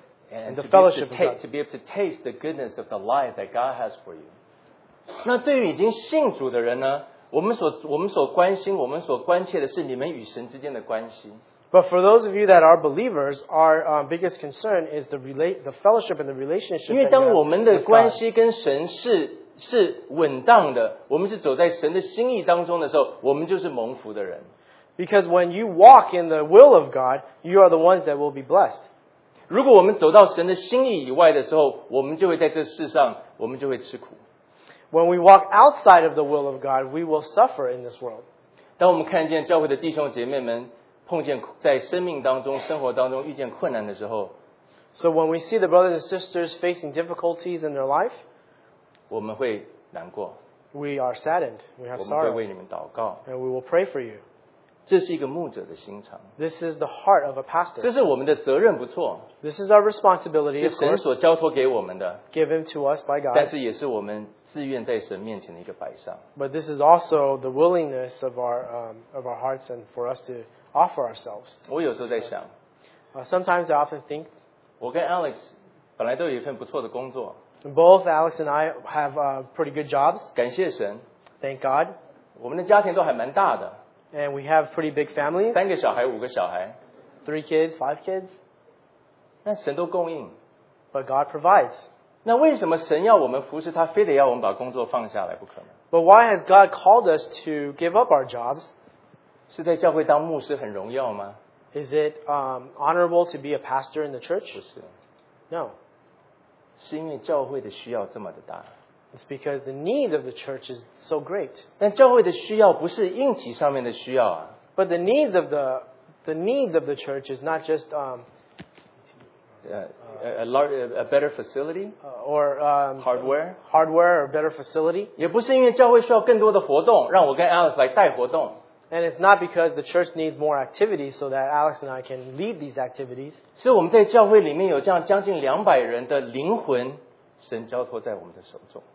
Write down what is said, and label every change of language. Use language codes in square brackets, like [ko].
[en] and the fellowship of God. To be able to taste the goodness of the life that God has for you. [zh] 那对于已经信主的人呢，我们所关心、我们所关切的是你们与神之间的关系。 [en] But for those of you that are believers, our biggest concern is the fellowship and the relationship. [zh] 因为当我们的关系跟神是 是稳当的，我们是走在神的心意当中的时候，我们就是蒙福的人。 [en] Because when you walk in the will of God, you are the ones that will be blessed. [zh] 如果我们走到神的心意以外的时候，我们就会在这世上，我们就会吃苦。 [en] When we walk outside of the will of God, we will suffer in this world. [zh] 当我们看见教会的弟兄姐妹们碰见在生命当中、生活当中遇见困难的时候 [en] ，So when we see the brothers and sisters facing difficulties in their life, [zh] 我们会难过。 [en] We are saddened. We have sorrow. [zh] 我们会为你们祷告。 [en] And we will pray for you. [zh] 这是一个牧者的心肠。 [en] This is the heart of a pastor. [zh] 这是我们的责任，不错。 [en] This is our responsibility. [zh] 是神所交托给我们的。 [en] Given to us by God. [zh] 但是也是我们自愿在神面前的一个摆上。 [en] But this is also the willingness of our hearts and for us to offer ourselves. [zh] 我有时候在想 [en] sometimes I often think. [zh] 我跟 Alex 本来都有一份不错的工作。 [en] Both Alex and I have pretty good jobs. [zh] 感谢神。 [en] Thank God. [zh] 我们的家庭都还蛮大的。 [en] And we have pretty big families. [zh] 三个小孩，五个小孩。 [en] Three kids, five kids. [zh] 但神都供应。 [en] But God provides. [zh] 那为什么神要我们服侍他，非得要我们把工作放下来不可呢 [en] ？But why has God called us to give up our jobs？ [zh] 是在教会当牧师很荣耀吗 [en] ？Is it honorable to be a pastor in the church？ [zh] 不是 [en] ，No。 [zh] 是因为教会的需要这么的大。 [en] It's because the need of the church is so great。 [zh] 但教会的需要不是硬体上面的需要啊。 [en] But the needs of the needs of the church is not just A better facility or hardware or better facility. [zh] 也不是因为教会需要更多的活动，让我跟 Alex 来带活动。 [en] And it's not because the church needs more activities so that Alex and I can lead these activities. [zh] 是我们在教会里面有这样将近200人的灵魂，神交托在我们的手中。